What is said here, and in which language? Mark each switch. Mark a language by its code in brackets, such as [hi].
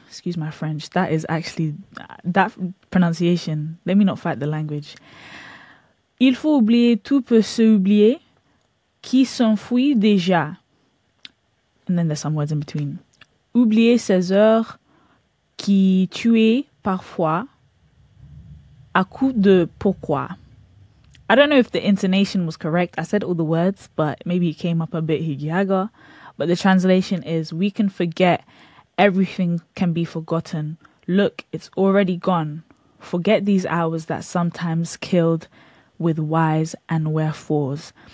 [en] Excuse my French, that is actually that pronunciation, let me not fight the language. [fr] Il faut oublier tout peut s'oublier qui s'enfuit déjà, [en] and then there's some words in between. [fr] Oublier ses heures qui tuaient parfois à coup de pourquoi. [en] I don't know if the intonation was correct. I said all the words, but maybe it came up a bit higiaga. But the translation is, we can forget, everything can be forgotten. Look, it's already gone. Forget these hours that sometimes killed with whys and wherefores.